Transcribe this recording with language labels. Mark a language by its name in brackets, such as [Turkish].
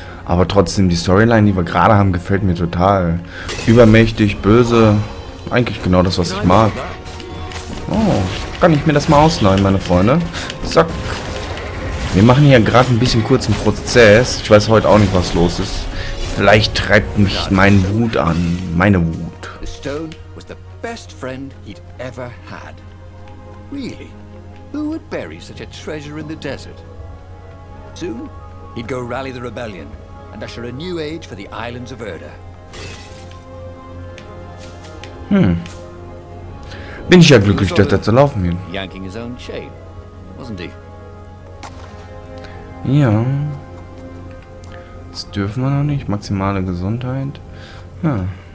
[German] Aber trotzdem, die Storyline, die wir gerade haben, gefällt mir total. Übermächtig, böse. Eigentlich genau das, was ich mag. Oh, kann ich mir das mal ausleihen, meine Freunde? Zack. Wir machen hier gerade ein bisschen kurzen Prozess. Ich weiß heute auch nicht, was los ist. Vielleicht treibt mich mein Wut an. Meine Wut. [English] The Stone was the best friend he'd ever had. Really? Who would bury such a treasure in the desert? Soon, He'd go rally the rebellion and usher a new age for the Islands of Erda. [German] Bin ich ja glücklich, dass er zu laufen hin. [English] Yanking his own chain, wasn't he? [German] Ja. Das dürfen wir noch nicht. Maximale Gesundheit. Ja.